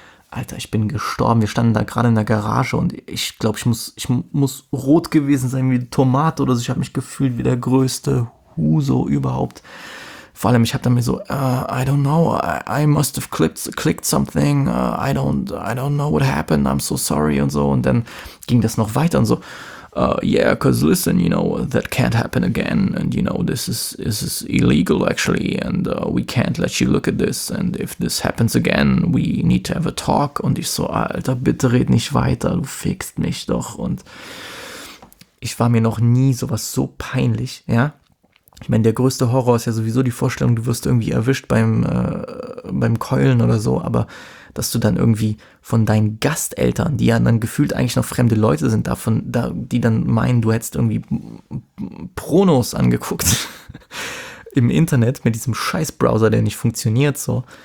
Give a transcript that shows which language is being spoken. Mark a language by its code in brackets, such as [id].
[de] Alter, ich bin gestorben. Wir standen da gerade in der Garage und ich glaube, ich muss rot gewesen sein wie Tomate oder so. Ich habe mich gefühlt wie der größte Huso überhaupt. Vor allem, ich habe dann mir so, [en] I don't know, I must have clicked something, I don't know what happened, I'm so sorry [de] und so. Und dann ging das noch weiter und so, [en] yeah, because listen, you know, that can't happen again. And you know, this is illegal actually, and we can't let you look at this. And if this happens again, we need to have a talk. [de] Und ich so, Alter, bitte red nicht weiter, du fickst mich doch. Und ich war mir noch nie sowas so peinlich, ja. Ich meine, der größte Horror ist ja sowieso die Vorstellung, du wirst irgendwie erwischt beim Keulen oder so, aber dass du dann irgendwie von deinen Gasteltern, die ja dann gefühlt eigentlich noch fremde Leute sind, die dann meinen, du hättest irgendwie Pornos angeguckt im Internet mit diesem Scheißbrowser, der nicht funktioniert, so.